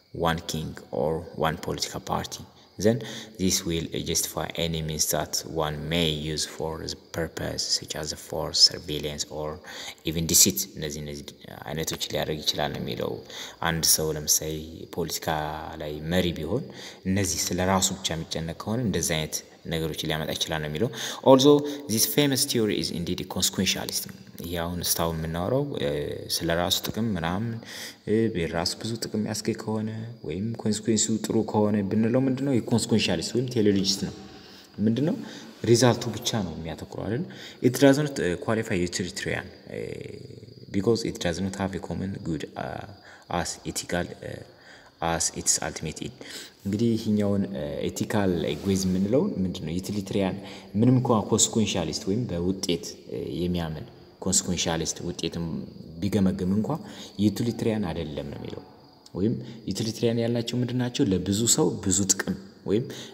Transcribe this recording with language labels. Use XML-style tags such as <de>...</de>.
<en>one king or one political party then this will justify any means that one may use for the purpose such as force surveillance or even deceit</en> <am>እነዚህ አይነቶች ሊያደርግ ይችላል የሚለው</am> <en>አንድ ሰው ለምሳሌ ፖለቲካ ላይ መሪ ቢሆን እነዚህ ስለራሱ ብቻ የሚጨነቅ ከሆነ እንደዛ አይነት ነገሮች ሊያመጣ ይችላል የሚለው although this famous theory is indeed a consequentialist</en> <am>ያውን ስታው የምናወራው ስለራሱ ጥቅም ምናምን በራሱ ብዙ ጥቅም ያስገኝ ከሆነ ወይም ኮንሲኩዌንሱ ጥሩ ከሆነ ብንለው ምንድነው የኮንሲኩዌንሻሊስት ወይም ቴዎሎጂስት ነው ምንድነው ሪዛልቱ ብቻ ነው የሚያተኩረው አይደል</am> <en>it doesn't qualify utilitarian because it does not have a common good as ethical as its ultimate aim.</en> <am>እንግዲህ ይሄኛውን ኤቲካል ኤጎይዝም እንለው ምንድነው ዩቲሊቴሪያን ምንም እንኳን ኮንሲኩዌንሻሊስት ወይም በውጤት የሚያምን ኮንሲኩዌንሻሊስት ውጤትም ቢገመግም እንኳን ዩቲሊቴሪያን አይደለም ነው የሚለው ወይም ዩቲሊቴሪያን ያላችሁ ምንድናችሁ ለብዙ ሰው ብዙ ጥቅም ወይም</am>